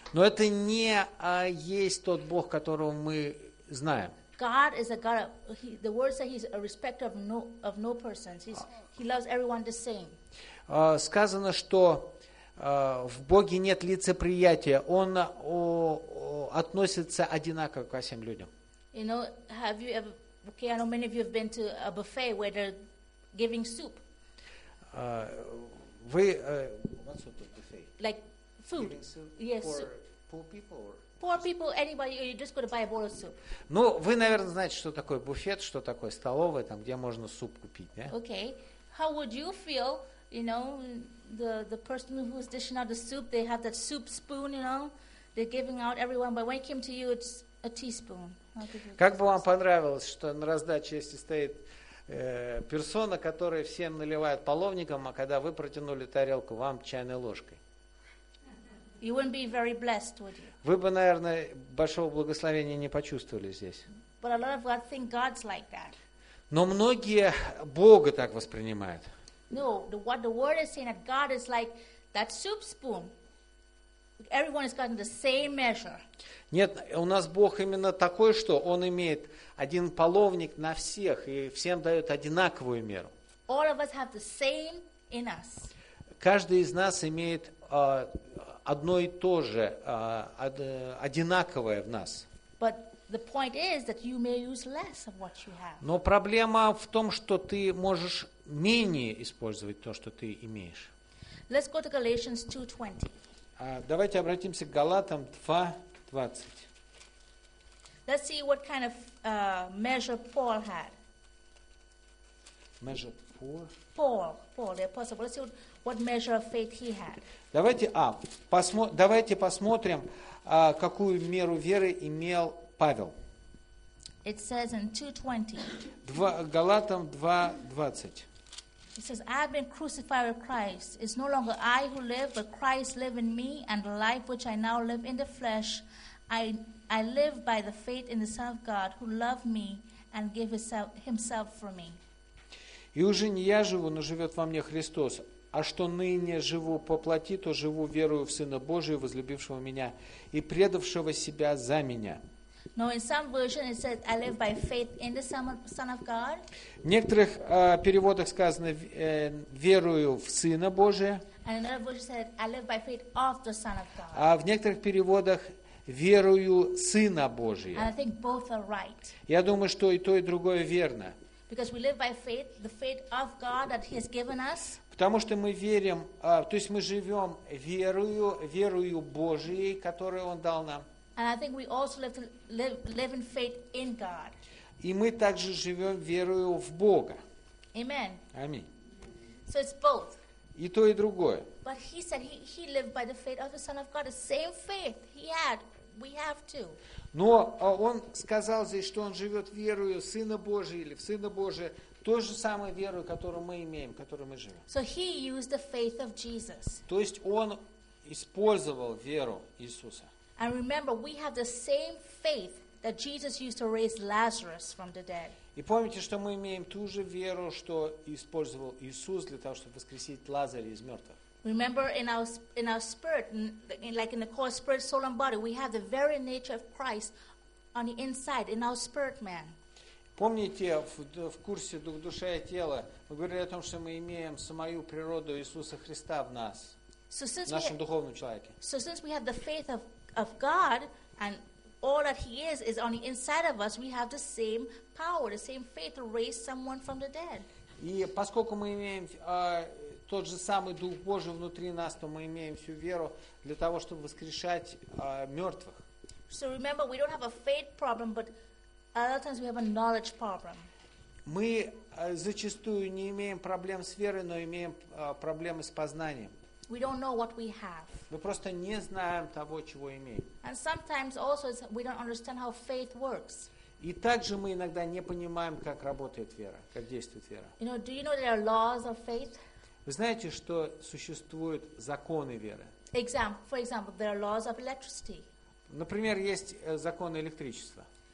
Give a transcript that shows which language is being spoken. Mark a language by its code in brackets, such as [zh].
[ru] Но это не есть тот Бог, которого мы знаем. [en] God is a God. The word says He's a respecter of no persons. He loves everyone the same. [ru] Сказано, что в Боге нет лицеприятия. Он относится одинаково ко всем людям. [en] You know, have you ever? Okay, I know many of you have been to a buffet where they're giving soup. What sort of buffet? Like food. Giving soup? Yes. Poor people. Poor people, anybody, you just go to buy a bowl of soup. [ru] Ну, вы, наверное, знаете, что такое буфет, что такое столовая, там, где можно суп купить, да? [en] Okay. How would you feel, you know, the person who's dishing out the soup, they have that soup spoon, you know, they're giving out everyone, but when it came to you, it's a teaspoon. [ru] Как бы вам понравилось, что на раздаче, если стоит персона, которая всем наливает половником, а когда вы протянули тарелку, вам чайной ложкой. [en] You wouldn't be very blessed, would you? [ru] Вы бы, наверное, большого благословения не почувствовали здесь. [en] But a lot of God think God's like that. [ru] Но многие Бога так воспринимают. [en] No, what the word is saying that God is like that soup spoon. Everyone has gotten the same measure. [ru] Нет, у нас Бог именно такой, что Он имеет один половник на всех и всем дает одинаковую меру. [en] All of us have the same in us. [ru] Каждый из нас имеет одно и то же, одинаковое в нас. [en] But the point is that you may use less of what you have. [ru] Но проблема в том, что ты можешь менее использовать то, что ты имеешь. [en] Let's go to Galatians 2:20. [ru] Давайте обратимся к Галатам 2:20. [en] Let's see what kind of measure Paul had. Measure Paul? Paul, the apostle. Let's see what measure of faith he had. [ru] Давайте посмотрим, какую меру веры имел Павел. [en] It says in 2:20. [ru] Галатам 2:20. [en] It says, I have been crucified with Christ. It's no longer I who live, but Christ live in me, and the life which I now live in the flesh, I live by the faith in the Son of God, who loved me and gave himself for me. [ru] И уже не я живу, но живет во мне Христос. А что ныне живу по плоти, то живу верою в Сына Божия, возлюбившего меня и предавшего себя за меня. [en] No, in some version it says, I live by faith in the Son of God. [ru] В некоторых переводах сказано, верую в Сына Божия. [en] And another version said, I live by faith of the Son of God. [ru] А в некоторых переводах, верую Сына Божия. [en] And I think both are right. [ru] Я думаю, что и то, и другое верно. [en] Because we live by faith, the faith of God that He has given us. [ru] Потому что мы верим, то есть мы живем верую Божией, которую Он дал нам. [en] And I think we also live in faith in God. [ru] И мы также живем верою в Бога. [en] Amen. [ru] Аминь. [en] So it's both. [ru] И то, и другое. [en] But he said he lived by the faith of the Son of God, the same faith he had. We have too. [ru] Но он сказал здесь, что он живет верою Сына Божия или в Сына Божия, той же самой верою, которую мы имеем, которой мы живем. [en] So he used the faith of Jesus. [ru] То есть он использовал веру Иисуса. [en] And remember, we have the same faith that Jesus used to raise Lazarus from the dead. [ru] И помните, что мы имеем ту же веру, что использовал Иисус для того, чтобы воскресить Лазаря из мертвых. [en] Remember, in our spirit, like in the core spirit, soul, and body, we have the very nature of Christ on the inside, in our spirit man. [ru] Помните, в курсе «Дух, душа и тело» мы говорили о том, что мы имеем самую природу Иисуса Христа в нас, в нашем духовном человеке. [en] So since we have the faith of God and all that He is on the inside of us, we have the same power, the same faith to raise someone from the dead. [ru] И поскольку мы имеем тот же самый Дух Божий внутри нас, то мы имеем всю веру для того, чтобы воскрешать мертвых. [en] So remember, we don't have a faith problem, but a lot of times we have a knowledge problem. [ru] Мы зачастую не имеем проблем с верой, но имеем проблемы с познанием. [en] We don't know what we have. [ru] Мы просто не знаем того, чего имеем. [en] And sometimes also we don't understand how faith works. [ru] И также мы иногда не понимаем, как работает вера, как действует вера. [en] You know, do you know there are laws of faith? [ru] Вы знаете, что существуют законы веры? [en] For example, there are laws of electricity. [ru] Например, есть законы электричества.